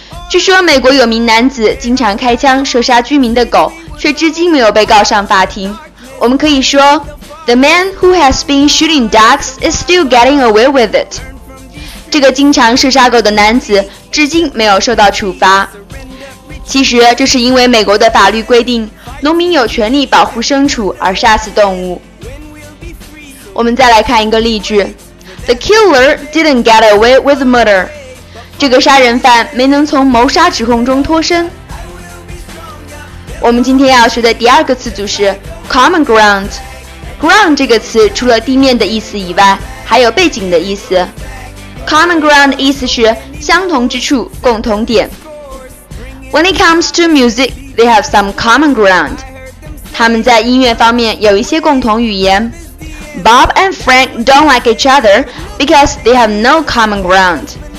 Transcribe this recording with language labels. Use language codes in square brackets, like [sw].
[zh] 据说美国有名男子经常开枪射杀居民的狗，却至今没有被告上法庭。我们可以说 [en] The man who has been shooting dogs is still getting away with it。 [zh] 这个经常射杀狗的男子至今没有受到处罚。其实这是因为美国的法律规定，农民有权利保护牲畜而杀死动物。我们再来看一个例句， [en] The killer didn't get away with murder。 [zh] 这个杀人犯没能从谋杀指控中脱身。我们今天要学的第二个词组是 common ground。 ground 这个词除了地面的意思以外，还有背景的意思。 common ground 意思是相同之处，共同点。 [en] When it comes to musicThey have some common ground. [zh] 他们在音乐方面有一些共同语言。 [en] Bob and Frank don't like each other because they have no common ground.